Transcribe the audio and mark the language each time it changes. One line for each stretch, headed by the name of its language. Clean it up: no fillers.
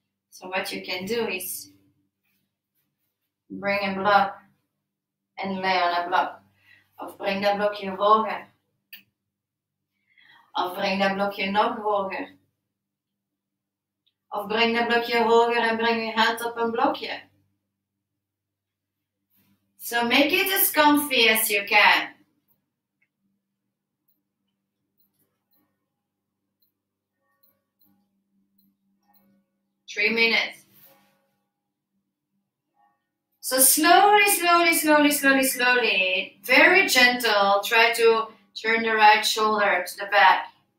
English: So what you can do is bring a block and lay on a block.
Dutch: Of bring dat blokje hoger. Of bring dat blokje nog hoger. Of bring dat blokje hoger en bring je hand op een blokje.
English: So make it as comfy as you can. Three minutes. So slowly, slowly, slowly, slowly, slowly, very gentle, try to turn the right shoulder to the back.